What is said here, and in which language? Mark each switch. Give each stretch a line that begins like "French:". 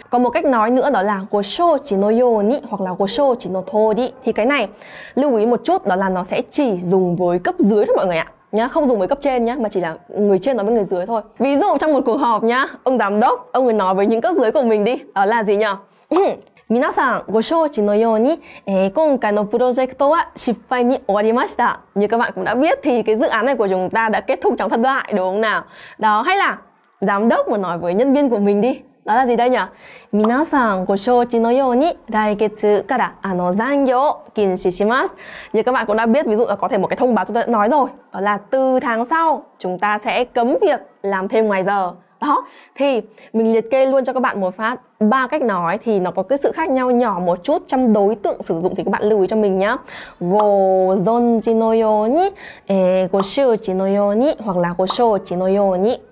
Vietnamese: Còn một cách nói nữa đó là goshouji no yoni hoặc là goshouji no tori. Thì cái này lưu ý một chút, đó là nó sẽ chỉ dùng với cấp dưới thôi mọi người ạ. nhá, không dùng với cấp trên nhá, mà chỉ là người trên nói với người dưới thôi. Ví dụ trong một cuộc họp nhá, ông giám đốc, ông ấy nói với những cấp dưới của mình đi, đó là gì nhở?
Japanese: 皆さんご承知のように、今回のプロジェクトは失敗に終わりました。
Vietnamese: Như các bạn cũng đã biết thì cái dự án này của chúng ta đã kết thúc trong thất bại, đúng không nào? Đó, hay là giám đốc muốn nói với nhân viên của mình đi. Đó là gì đây nhỉ?
Japanese: 皆さんご承知のように、来月から残業を禁止します。
Vietnamese: Như các bạn cũng đã biết, ví dụ là có thể một cái thông báo chúng ta đã nói rồi. Đó là từ tháng sau, chúng ta sẽ cấm việc làm thêm ngoài giờ. Đó, thì mình liệt kê luôn cho các bạn một phát ba cách nói thì nó có cái sự khác nhau nhỏ một chút trong đối tượng sử dụng thì các bạn lưu ý cho mình nhá. Go zonji no yoni, go shouji no yoni hoặc là go shouji no yoni.